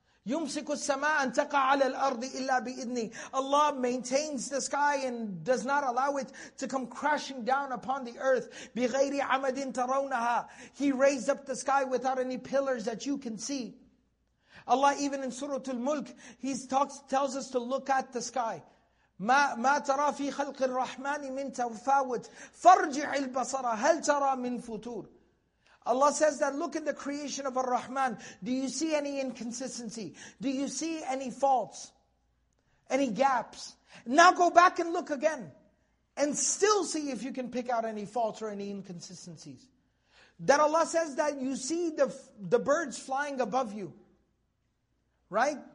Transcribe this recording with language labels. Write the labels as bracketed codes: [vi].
[ar] يُمْسِكُ السَّمَاءَ أَن تَقَعَ عَلَى الْأَرْضِ إِلَّا بِإِذْنِ [en] Allah maintains the sky and does not allow it to come crashing down upon the earth. [ar] بِغَيْرِ عَمَدٍ تَرَوْنَهَا [en] He raised up the sky without any pillars that you can see. Allah even in Surah Al-Mulk, He tells us to look at the sky. [ar] مَا تَرَى فِي خَلْقِ الرَّحْمَنِ مِنْ تَفَاوُتْ فَرْجِعِ الْبَصَرَ هَلْ تَرَى مِنْ فُتُورِ [en] Allah says that, look in the creation of Ar-Rahman. Do you see any inconsistency? Do you see any faults? Any gaps? Now go back and look again. And still see if you can pick out any faults or any inconsistencies. That Allah says that you see the birds flying above you. Right?